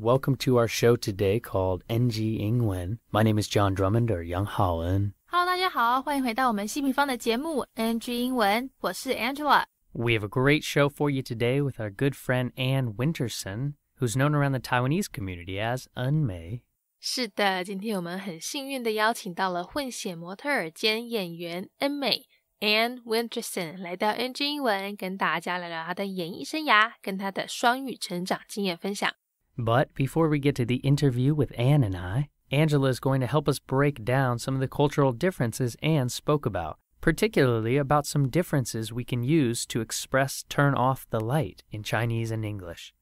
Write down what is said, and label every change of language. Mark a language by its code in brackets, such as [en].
[en] Welcome to our show today called NG 英文. My name is John Drummond, or 杨浩恩. Hello, [zh] 大家好，欢迎回到我们新平方的节目 NG 英文，我是 Angela. [en] We have a great show for you today with our good friend Anne Winterson, who's known around the Taiwanese community as 恩美. [zh] 是的，今天我们很幸运地邀请到了混血模特儿兼演员恩美 Anne Winterson 来到 NG 英文，跟大家聊聊她的演艺生涯，跟她的双语成长经验分享。 [en] But before we get to the interview with Anne and I, Angela is going to help us break down some of the cultural differences Anne spoke about. Particularly about some differences we can use to express turn off the light in Chinese and English.